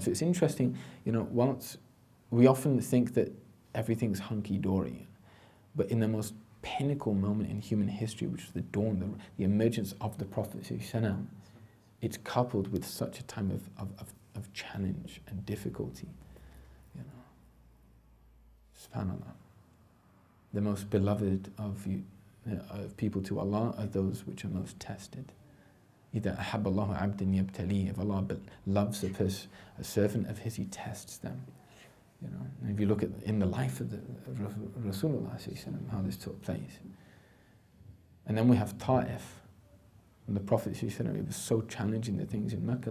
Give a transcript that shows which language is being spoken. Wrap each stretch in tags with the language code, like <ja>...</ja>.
<en>So it's interesting, you know, whilst we often think that everything's hunky-dory, but in the most pinnacle moment in human history, which is the dawn, the emergence of the Prophet, it's coupled with such a time of challenge and difficulty. You know. SubhanAllah. The most beloved of people to Allah are those which are most tested.</en> <ar>Either أَحَبَّ اللَّهُ عَبْدٍ يَبْتَلِيهِ.</ar> <en>If Allah loves a servant of His, He tests them. You know, and if you look at in the life of the Rasulullah, how this took place. And then we have Ta'if. And the Prophet, it was so challenging, the things in Mecca.</en>